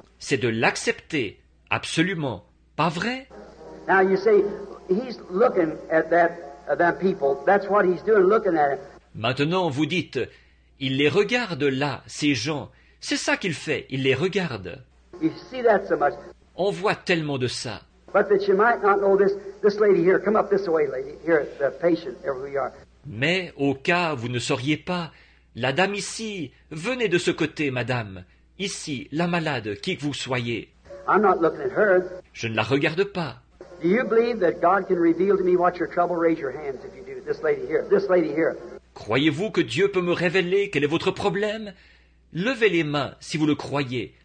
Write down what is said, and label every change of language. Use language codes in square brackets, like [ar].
[fr] C'est de l'accepter, absolument, pas vrai? [en] Now you see, he's looking at that people. That's what he's doing, looking at them. [fr] Maintenant, vous dites, il les regarde là, ces gens. C'est ça qu'il fait, il les regarde. [en] You see that so much. [fr] On voit tellement de ça. [en] But that you might not know this lady here. Come up this way, lady. Here, the patient, here we are. [fr] Mais au cas où vous ne sauriez pas, la dame ici, venez de ce côté, madame. Ici, la malade, qui que vous soyez. [en] I'm not looking at her. [fr] Je ne la regarde pas. [en] Do you believe that God can reveal to me what your trouble? Raise your hands if you do. This lady here. This lady here. [fr] Croyez-vous que Dieu peut me révéler quel est votre problème? Levez les mains si vous le croyez.